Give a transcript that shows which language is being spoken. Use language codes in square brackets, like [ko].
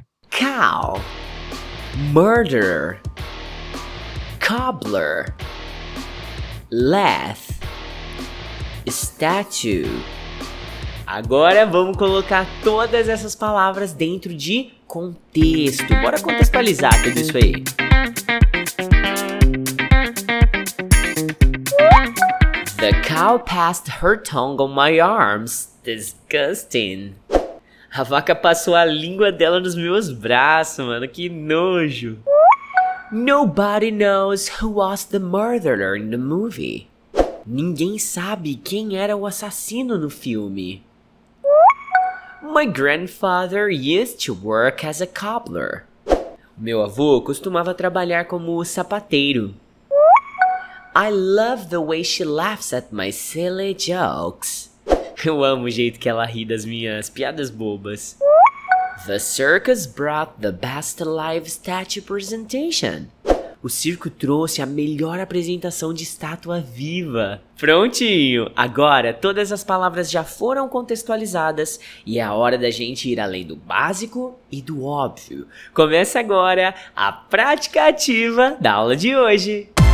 [en] Cow. Murder. Cobbler. Lath. Statue. [pt] Agora vamos colocar todas essas palavras dentro de contexto. Bora contextualizar tudo isso aí. [en] The cow passed her tongue on my arms. Disgusting. [pt] A vaca passou a língua dela nos meus braços, mano. Que nojo. [en] Nobody knows who was the murderer in the movie. [pt] Ninguém sabe quem era o assassino no filme. [en] My grandfather used to work as a cobbler. [pt] Meu avô costumava trabalhar como sapateiro. [en] I love the way she laughs at my silly jokes. [pt] Eu amo o jeito que ela ri das minhas piadas bobas. [en] The circus brought the best live statue presentation. [pt] O circo trouxe a melhor apresentação de estátua viva. Prontinho! Agora, todas as palavras já foram contextualizadas e é a hora da gente ir além do básico e do óbvio. Começa agora a prática ativa da aula de hoje.